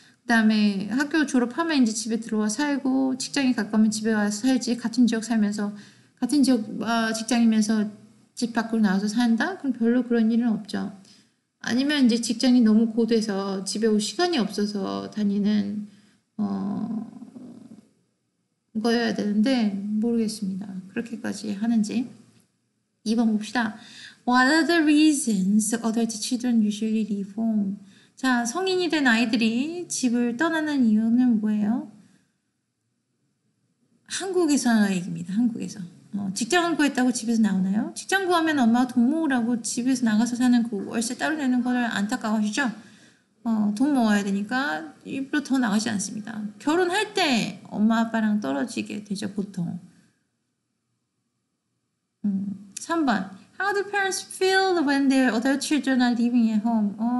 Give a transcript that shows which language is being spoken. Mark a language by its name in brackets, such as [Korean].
[Korean] 그 다음에 학교 졸업하면 이제 집에 들어와 살고, 직장이 가까우면 집에 와서 살지, 같은 지역 살면서, 같은 지역, 직장이면서 집 밖으로 나와서 산다? 그럼 별로 그런 일은 없죠. 아니면 이제 직장이 너무 고돼서 집에 올 시간이 없어서 다니는, 거여야 되는데, 모르겠습니다. 그렇게까지 하는지. 2번 봅시다. [English] What are the reasons adult children usually leave home? [Korean] 자, 성인이 된 아이들이 집을 떠나는 이유는 뭐예요? 한국에서 얘기입니다. 한국에서. 직장을 구했다고 집에서 나오나요? 직장 구하면 엄마가 돈 모으라고 집에서 나가서 사는 그 월세 따로 내는 거를 안타까워하시죠? 돈 모아야 되니까 일부러 더 나가지 않습니다. 결혼할 때 엄마 아빠랑 떨어지게 되죠, 보통. 3번. [English] How do parents feel when their other children are living at home?